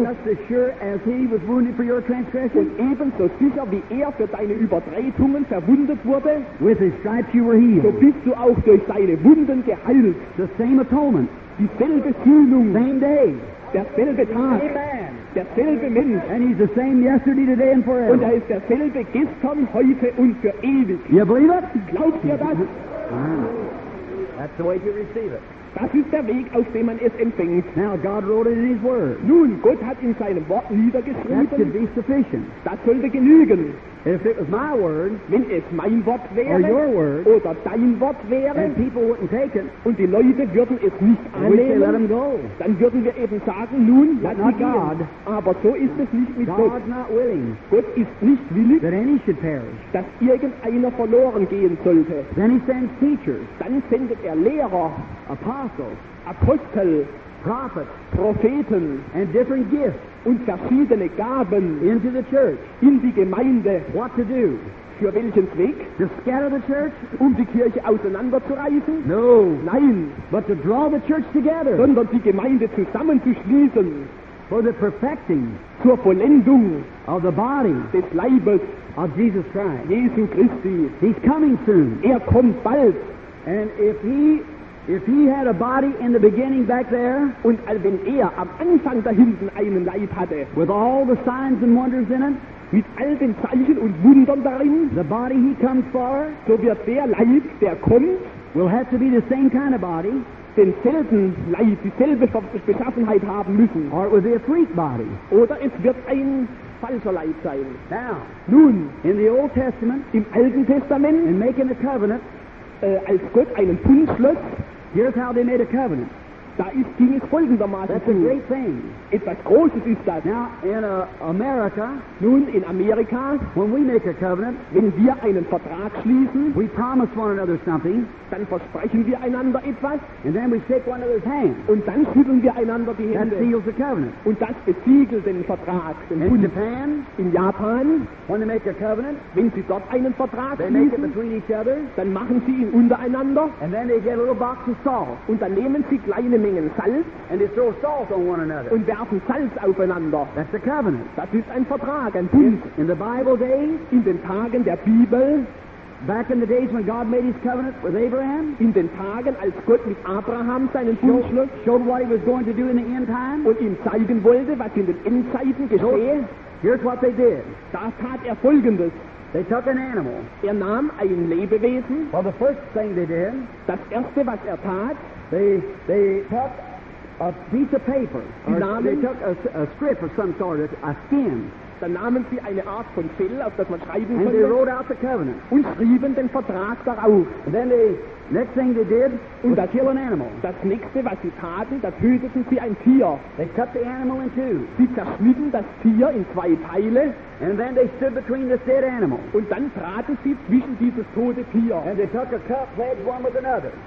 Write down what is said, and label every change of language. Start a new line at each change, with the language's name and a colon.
English: Just as sure as he was wounded for your transgression.
German: Und ebenso sicher, wie er für deine Übertretungen verwundet wurde,
English: with his stripes you were healed.
German: So bist du auch durch seine Wunden geheilt.
English: The same atonement.
German: Dieselbe Sühnung.
English: Same day.
German: Derselbe Tag.
English: Amen.
German: Derselbe Mensch.
English: And he's the same yesterday, today and forever.
German: Und er ist derselbe gestern, heute und für ewig.
English: You believe it?
German: Glaubt ihr das?
English: That's the way you receive it.
German: Das ist der Weg, auf dem man es empfängt.
English: Now God wrote it in his word.
German: Nun, Gott hat in seinem Wort niedergeschrieben.
English: That could be sufficient.
German: Das sollte genügen.
English: If it was my word,
German: wenn es mein Wort wäre,
English: or your word,
German: oder dein Wort wäre,
English: and people wouldn't take it,
German: und die Leute würden es nicht annehmen,
English: let them go.
German: Dann würden wir eben sagen, nun, lass sie gehen. Aber so ist es nicht mit
English: God's Gott. Not willing,
German: Gott ist nicht willig,
English: that any should perish,
German: dass irgendeiner verloren gehen sollte.
English: Then he sends teachers,
German: dann sendet er Lehrer,
English: Apostles,
German: Apostel,
English: Prophets,
German: Propheten,
English: and different gifts,
German: und verschiedene Gaben,
English: into the church,
German: in die Gemeinde.
English: What to do?
German: Für welchen Zweck?
English: To scatter the church,
German: um die Kirche auseinanderzureißen?
English: No.
German: Nein.
English: But to draw the church together.
German: Sondern die Gemeinde zusammenzuschließen.
English: For the perfecting,
German: zur Vollendung,
English: of the body,
German: des Leibes,
English: of Jesus Christ,
German: Jesu Christi.
English: He's coming soon.
German: Er kommt bald.
English: And if he had a body in the beginning back there,
German: und wenn er am Anfang da hinten einen Leib hatte,
English: with all the signs and wonders in it,
German: mit all den Zeichen und Wundern darin,
English: the body he comes for,
German: so wird der Leib, der kommt,
English: will have to be the same kind of body,
German: denselben Leib, dieselbe Beschaffenheit haben müssen,
English: or it will be a freak body,
German: oder es wird ein falscher Leib sein.
English: Now,
German: nun,
English: in the Old Testament,
German: im Alten Testament,
English: in making a covenant,
German: als Gott einen Bund schloss,
English: here's how they made a covenant.
German: Da ist ging es folgendermaßen.
English: That's a great thing.
German: Etwas Großes ist das.
English: Now, in America,
German: nun in Amerika,
English: when we make a covenant,
German: wenn wir einen Vertrag schließen,
English: we promise one another something,
German: dann versprechen wir einander etwas,
English: and then we shake one another's hand.
German: Und dann schütteln wir einander die Hände.
English: That seals the covenant.
German: Und das besiegelt den Vertrag.
English: In Japan, when they make a covenant,
German: wenn sie dort einen Vertrag
English: they
German: schließen,
English: make it between each other,
German: dann machen sie ihn untereinander,
English: and then they get a little box of salt.
German: Und dann nehmen sie kleine Mengen Salz,
English: and they throw salt on one another.
German: Und werfen Salz aufeinander.
English: That's a covenant.
German: Das ist ein Vertrag, ein Bund.
English: In the Bible days,
German: in den Tagen der Bibel,
English: back in the days when God made his covenant with Abraham,
German: in den Tagen, als Gott mit Abraham seinen Bund schloss,
English: showed what he was going to do in the end time,
German: und ihm zeigen wollte, was in den Endzeiten geschehe,
English: here's what they did.
German: Da tat er Folgendes.
English: They took an animal.
German: Er nahm ein Lebewesen.
English: Well, the first thing they did,
German: das erste, was er tat,
English: they took a piece of paper. They took a strip of some sort, a skin.
German: Dann nahmen sie eine Art von Fell, auf das man schreiben konnte.
English: And they wrote out the covenant.
German: Und schrieben den Vertrag darauf.
English: And then they, next thing they did,
German: und
English: was kill an animal.
German: Das nächste, was sie taten, da töteten sie ein Tier.
English: They cut the animal in two.
German: Sie zerschnitten das Tier in zwei Teile.
English: And then they stood between the dead animal.
German: Und dann traten sie zwischen dieses tote Tier.
English: And they took a cup, pledged one with another.